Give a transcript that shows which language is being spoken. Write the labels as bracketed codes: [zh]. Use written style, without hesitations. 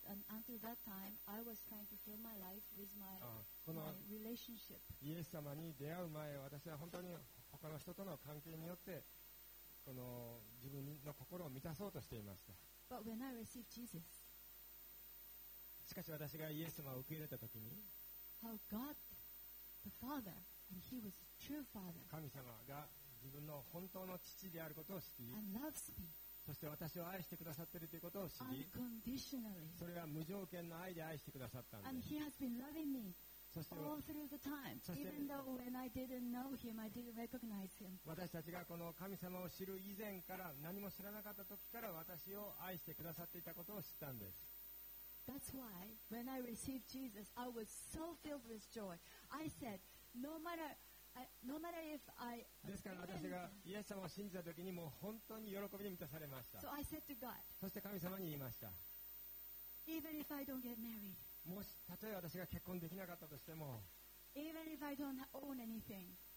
[en] until that time, I was trying to fill my life with my relationship. [ja] イエス様に出会う前、私は本当に他の人との関係によってこの自分の心を満たそうとしていました。 [en] But when I received Jesus, [ja] しかし私がイエス様を受け入れた時に、 [en] how God, the Father, and He was true Father. [ja] 神様が自分の本当の父であることを知り、 [en] and loves me. [ja] そして私を愛してくださっているということを知り、 [en] unconditionally. [ja] それは無条件の愛で愛してくださったんです。 [en] And He has been loving me. All through the time, even though when I didn't know him, I didn't recognize him. [ja] 私たちがこの神様を知る以前から何も知らなかった時から私を愛してくださっていたことを知ったんです。 [en] That's why when I received Jesus, I was so filled with joy. I said, no matter if I. [ja] ですから私がイエス様を信じた時にもう本当に喜びに満たされました。 [en] So I said to God. [ja] そして神様に言いました。 [en] Even if I don't get married. [ja] もし例え私が結婚できなかったとしても、 [en] Even if I don't own anything,